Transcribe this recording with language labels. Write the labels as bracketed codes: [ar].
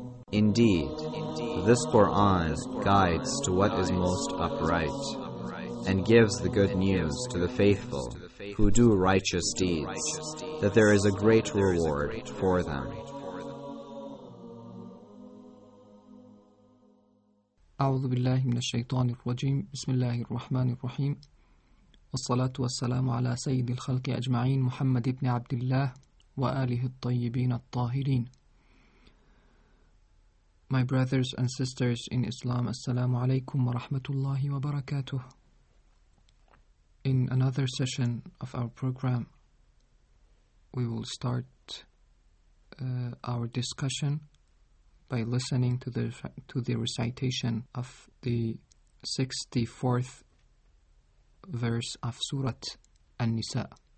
[en] Indeed, this Quran guides to what is most upright and gives the good news to the faithful who do righteous deeds, that there is a great reward for them. [ar] أعوذ بالله من الشيطان الرجيم بسم الله الرحمن الرحيم والصلاة والسلام على سيد الخلق أجمعين محمد بن عبد الله وآله الطيبين الطاهرين. [en] My brothers and sisters in Islam, [ar] السلام عليكم ورحمة الله وبركاته. [en] In another session of our program, we will start our discussion by listening to the recitation of the 64th verse of Surah An-Nisa.